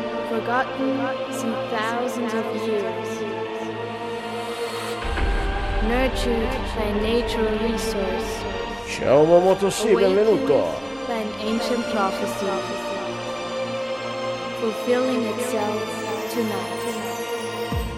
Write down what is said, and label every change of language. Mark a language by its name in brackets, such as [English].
[English] Forgotten since thousands of years. Nurtured by a natural resource. [Italian] Ciao Momotoshi, benvenuto! [English] By an ancient prophecy. Fulfilling itself tonight.